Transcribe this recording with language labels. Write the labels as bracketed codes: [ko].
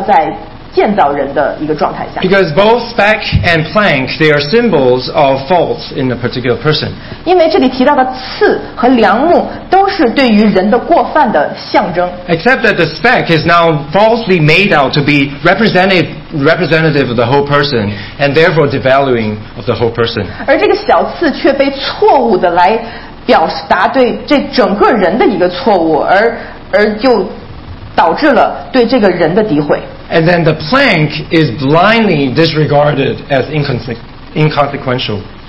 [zh] 而耶稣基督在这一段告诉我们要去论断的时候是根植于谦虚谦卑而且是要在建造人的一个状态下。 [en] Because both speck and plank, they are symbols of faults in a particular person. [zh] 因为这里提到的刺和梁木都是对于人的过犯的象征。 [en] Except that the speck is now falsely made out to be representative of the whole person, and therefore devaluing of the whole person. [zh] 而这个小刺却被错误地来表达对这整个人的一个错误，而就导致了对这个人的诋毁。 [en] And then the plank is blindly disregarded as inconsequential.